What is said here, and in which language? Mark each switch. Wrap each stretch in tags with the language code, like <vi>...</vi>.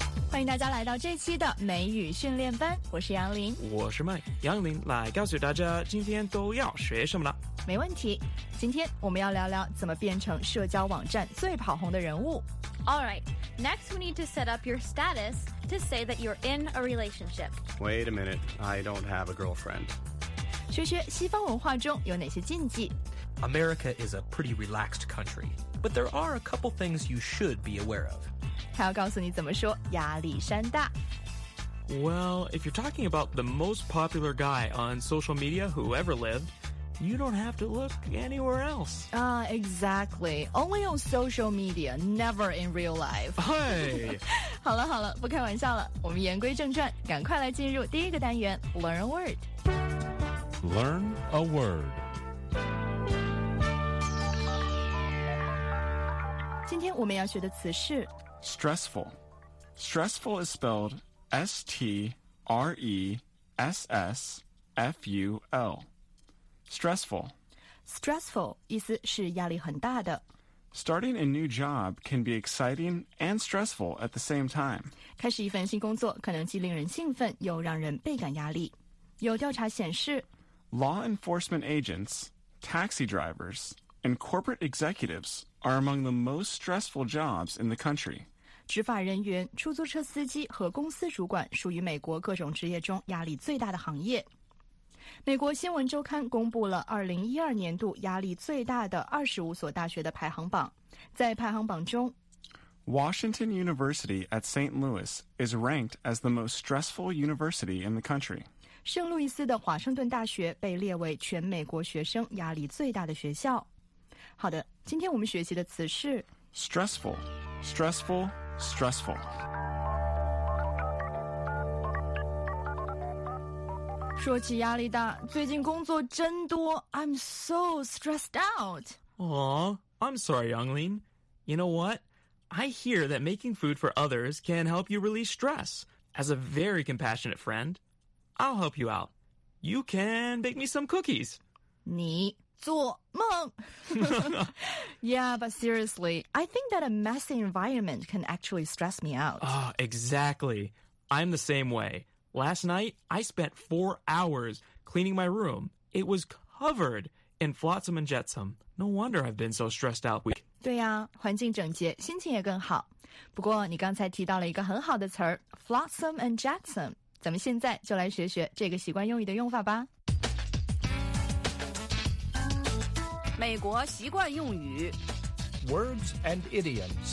<zh>欢迎大家来到这期的美语训练班，我是杨林，我是麦，杨林来告诉大家今天都要学什么了。没问题，今天我们要聊聊怎么变成社交网站最跑红的人物。</zh> <en>All right, next we need to set up your status to say that you're in a relationship. Wait a minute, I don't have a girlfriend.</en> <zh>学学西方文化中有哪些禁忌。</zh> <en>America is a pretty relaxed country, but there are a couple things you should be aware of.</en> <zh>还要告诉你怎么说亚历山大。</zh> <en>Well, if you're talking about the most popular guy on social media who ever lived, you don't have to look anywhere else. Exactly. Only on social media, never in real life. Hey!</en> <zh>好了好了，不开玩笑了，我们言归正传，赶快来进入第一个单元</zh> <en>Learn a Word. Learn a Word.</en> <zh>今天我们要学的词是</zh> <en>Stressful. Stressful is spelled S-T-R-E-S-S-F-U-L. Stressful.</en> <zh>Stressful 意思是压力很大的。</zh> <en>Starting a new job can be exciting and stressful at the same time.</en> <zh>开始一份新工作可能既令人兴奋又让人倍感压力。有调查显示</zh> <en>Law enforcement agents, taxi drivers, and corporate executives are among the most stressful jobs in the country.</en> <zh>执法人员、出租车司机和公司主管属于美国各种职业中压力最大的行业。美国新闻周刊公布了2012年度压力最大的25所大学的排行榜。在排行榜中</zh> <en>Washington University at St. Louis is ranked as the most stressful university in the country.</en> <zh>圣路易斯的华盛顿大学被列为全美国学生压力最大的学校。好的，今天我们学习的词是</zh> <en>Stressful. Stressful. Stressful.</en> <zh>说起压力大，最近工作真多。</zh> <en>I'm so stressed out. Aw, I'm sorry, Yanglin. You know what? I hear that making food for others can help you release stress. As a very compassionate friend, I'll help you out. You can bake me some cookies.</en> <zh>你做梦</zh> <en>Yeah, but seriously, I think that a messy environment can actually stress me out. Oh, exactly. I'm the same way. Last night, I spent 4 hours cleaning my room. It was covered in flotsam and jetsam. No wonder I've been so stressed out.</en> <zh>对呀、啊，环境整洁，心情也更好。不过你刚才提到了一个很好的词儿 flotsam and jetsam. 咱们现在就来学学这个习惯用语的用法吧。美国习惯用语</zh> <en>Words and idioms</en>